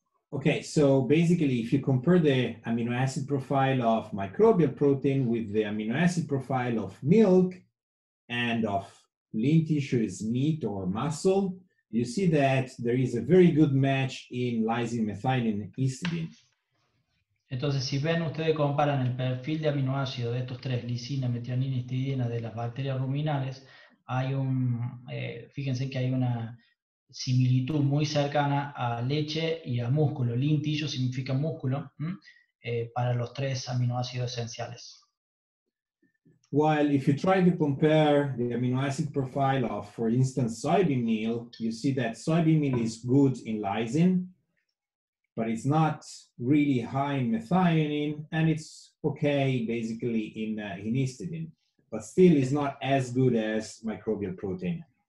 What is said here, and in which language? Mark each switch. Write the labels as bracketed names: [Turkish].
[English] Okay, so basically, if you compare the amino acid profile of microbial protein with the amino acid profile of milk and of lean tissues, meat or muscle, you see that there is a very good match in lysine, methionine, and histidine. [Spanish] Entonces, si ven, ustedes comparan el perfil de aminoácido de estos tres, lisina, metionina y histidina, de las bacterias ruminales, hay un, fíjense que hay una similitud muy cercana a leche y a músculo. Lintillo significa músculo para los tres aminoácidos esenciales. [English] While if you try to compare the amino acid profile of, for instance, soybean meal, you see that soybean meal is good in lysine, but it's not really high in methionine, and it's okay basically in histidine, but still is not as good as microbial protein.